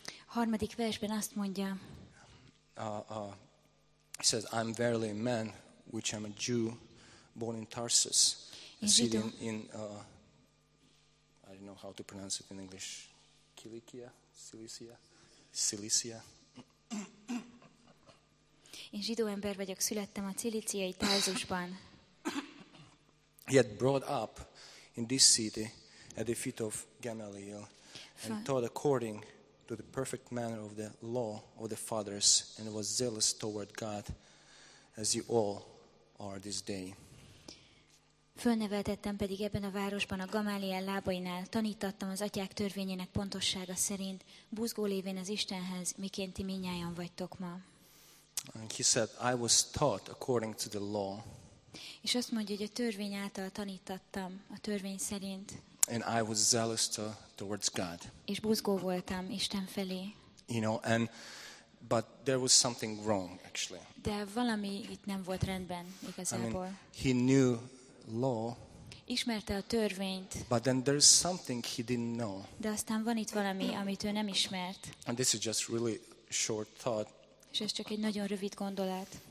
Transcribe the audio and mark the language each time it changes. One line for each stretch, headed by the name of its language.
Hungarian: Harmadik versben azt mondja.
English: He says, I'm verily a man, which I'm a Jew, born in Tarsus. A city in I don't know how to pronounce it in English. Kilikia? Cilicia? Cilicia?
Hungarian: Én zsidó ember vagyok, születtem a ciliciai Tarsusban.
English: He had brought up in this city at the feet of Gamaliel and taught according to the perfect manner of the law of the fathers and was zealous toward God as you all are this day.
Hungarian: Fölneveltettem pedig ebben a városban a Gamaliel lábainál, tanítattam az atyák törvényének pontossága szerint, buzgó lévén az Istenhez, miként ti minnyájan vagytok ma.
English: And he said, I was taught according to the law.
Hungarian: És azt mondja, hogy a törvény által tanítattam, a törvény szerint.
English: And I was zealous towards God.
Hungarian: És buzgó voltam Isten felé.
English: You know, and but there was something wrong actually.
Hungarian: De valami itt nem volt rendben igazából.
English: I mean, he knew law.
Hungarian: Ismerte a törvényt.
English: But then there's something he didn't know.
Hungarian: De aztán van itt valami, amit ő nem ismert.
English: And this is just really short thought.
Hungarian: És ez csak egy nagyon rövid gondolat.